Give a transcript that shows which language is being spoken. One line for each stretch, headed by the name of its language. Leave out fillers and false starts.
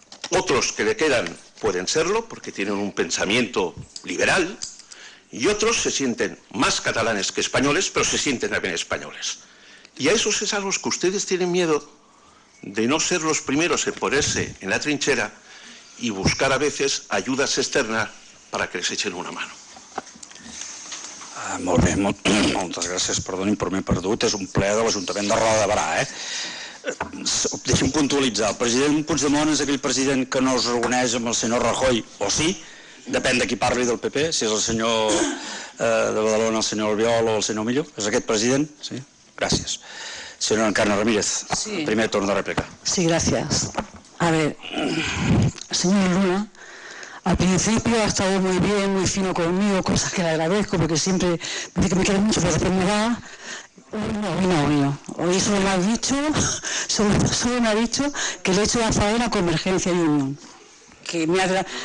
Spanish: Otros que le quedan pueden serlo, porque tienen un pensamiento liberal, y otros se sienten más catalanes que españoles, pero se sienten también españoles. Y a esos es a los que ustedes tienen miedo de no ser los primeros en ponerse en la trinchera y buscar a veces ayudas externas para que les echen una mano.
Catalan: Molt bé, moltes gràcies, perdonin per m'he perdut, és un ple de l'Ajuntament de Roda de Barà, Deixi'm puntualitzar, el president Puigdemont és aquell president que no es reuneix amb el senyor Rajoy, o sí, depèn de qui parli del PP, si és el senyor de Badalona, el senyor Albiol o el senyor Millo, és aquest president, sí? Gràcies. Senyora Encarna Ramírez, sí. Primer torn de rèplica. Sí, gràcies. A veure,
Spanish: senyor Luna, al principio ha estado muy bien, muy fino conmigo, cosas que le agradezco, porque siempre me dice que me quiere mucho, pero después me da... No. Hoy solo me ha dicho, solo me ha dicho que le he hecho la faena a Convergencia y Unión. Que me ha...